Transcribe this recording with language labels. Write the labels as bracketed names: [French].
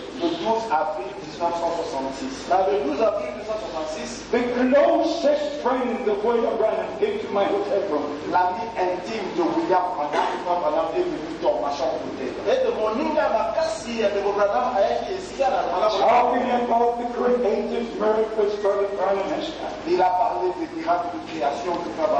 [English] The closest friend the boy of Branham came to my hotel room. [French] L'ami intime de William Branham, qui m'a parlé de lui dans ma chambre d'hôtel. [English] Talking about the creative miracles for the Prime Minister. [French] Il a parlé des miracles de création que Prime